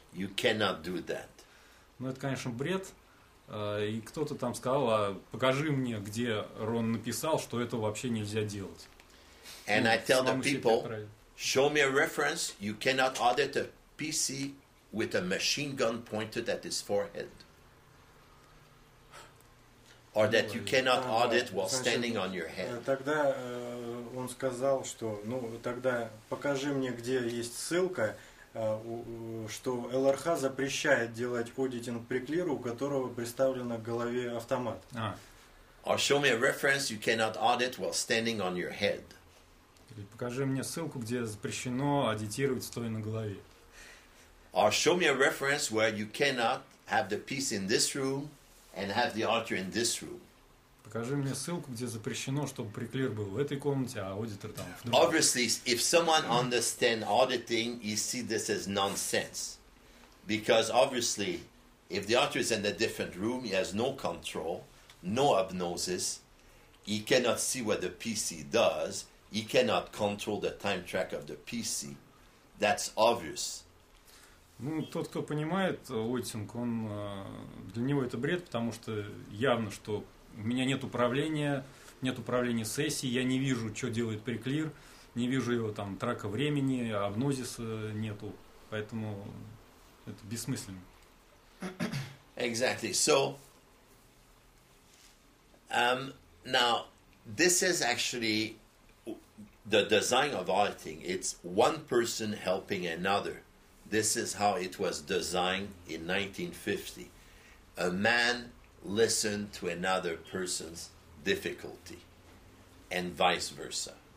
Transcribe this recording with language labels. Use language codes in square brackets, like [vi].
[en] You cannot do that. [ru] Ну, это, конечно, бред. И кто-то там сказал, а покажи мне, где Рон написал, что этого вообще нельзя делать. [en] And ну, I tell the people, show me a reference, you cannot audit a PC with a machine gun pointed at his forehead. Or that you cannot audit while standing on your head. [ru] Тогда он сказал, что, ну, тогда покажи мне, где есть ссылка, что ЛРХ запрещает делать аудитинг приклиру, у которого представлен к голове автомат. [en] Or show me a reference you cannot audit while standing on your head. [ru] Или покажи мне ссылку, где запрещено аудитировать стоя на голове. [en] Or show me a reference where you cannot have the piece in this room and have the auditor in this room. [ru] Покажи мне ссылку, где запрещено, чтобы приклир был в этой комнате, а аудитор там в другой. [en] Obviously, if someone understands auditing, he sees this as nonsense. Because obviously, if the auditor is in a different room, he has no control, no hypnosis, he cannot see what the PC does, he cannot control the time track of the PC. That's obvious. [ru] Ну, тот, кто понимает аудитинг, он для него это бред, потому что явно, что у меня нет управления сессией, я не вижу, что делает приклир, не вижу его там трака времени, апнозиса нету, поэтому это бессмысленно. [en] Exactly. So, now, this is actually the design of auditing. It's one person helping another. This is how it was designed in 1950. A man listen to another person's difficulty and vice versa.